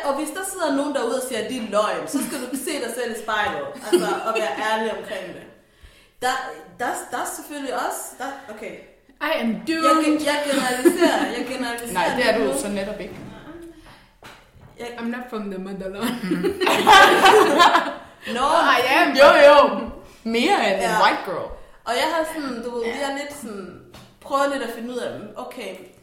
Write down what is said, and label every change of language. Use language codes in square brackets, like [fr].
[da] Og hvis der sidder nogen derude og siger, at det er løgn, så skal du se dig selv i spejlet. Altså, og være ærlig omkring det. Der er selvfølgelig også... Der, okay. [en] I am doomed. [da] Jeg generaliserer. Nej, det er du så netop ikke. [en] I'm not from the motherland. No, I am. [da] Jo. Mere end en white girl. Og jeg har sådan, du ved, jeg har lidt sådan... Prøvet lidt at finde ud af, okay...